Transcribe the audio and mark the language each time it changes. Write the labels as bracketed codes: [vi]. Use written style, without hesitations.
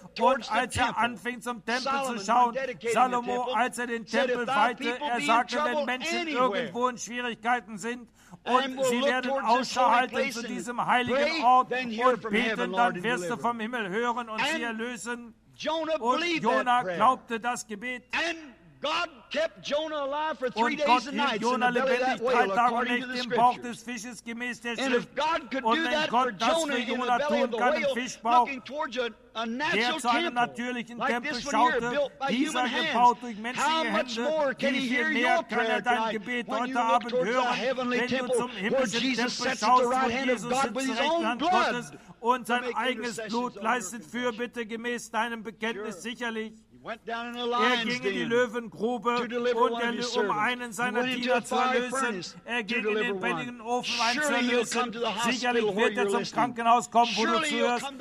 [de] Und als er anfing, zum Tempel zu schauen, Salomo, als er den Tempel weihte, er sagte, wenn Menschen irgendwo in Schwierigkeiten sind, und sie werden Ausschau halten zu diesem heiligen Ort und beten, dann wirst du vom Himmel hören und sie erlösen. Und Jonah glaubte das Gebet. [en] God kept Jonah alive for 3 days and nights in the belly of that whale, according to the scriptures. Fishes, [de] gemäß der Schrift. [en] And if God could do that for Jonah in the belly of the whale, looking towards a natural temple, like this one here, built by human hands, how much more can he hear your prayer tonight when you look towards a heavenly temple where Jesus sets at the right hand of God with his own blood [de] und sein eigenes Blut leistet für, bitte gemäß deinem Bekenntnis, sure. Sicherlich. Er ging in die Löwengrube, um einen seiner Diener zu erlösen. Er ging in den brennenden Ofen, einen zu erlösen. Sicherlich wird er zum Krankenhaus kommen, wo du zuhörst.